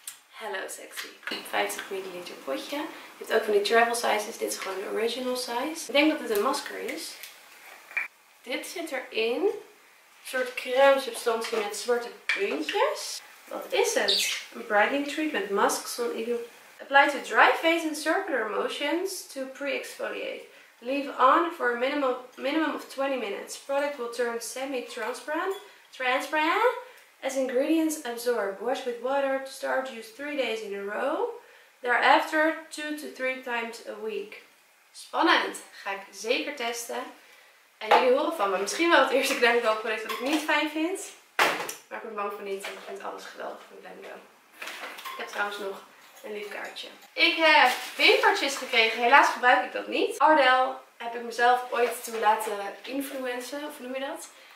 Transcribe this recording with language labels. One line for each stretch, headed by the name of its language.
English: Hello sexy.
Dutch: 50 ml potje. Je hebt ook van die travel sizes. Dit is gewoon de original size. Ik denk dat dit een masker is. Dit zit erin. Een soort crème substantie met zwarte puntjes. Wat is het? Een brightening treatment mask.
English: Apply to dry face in circular motions to pre-exfoliate. Leave on for a minimum of 20 minutes. Product will turn semi-transparent. Transparent as ingredients absorb. Wash with water to start. Use 3 days in a row. Thereafter 2 to 3 times a week.
Dutch: Spannend. Ga ik zeker testen. En jullie horen van me. Misschien wel het eerste Glam Glow product dat ik niet fijn vind. Maar ik ben bang voor niet. Ik vind alles geweldig van Glam Glow. Ik heb trouwens nog een lief kaartje. Ik heb wimpertjes gekregen. Helaas gebruik ik dat niet. Ardell heb ik mezelf ooit toen laten influencen. Of noem je dat?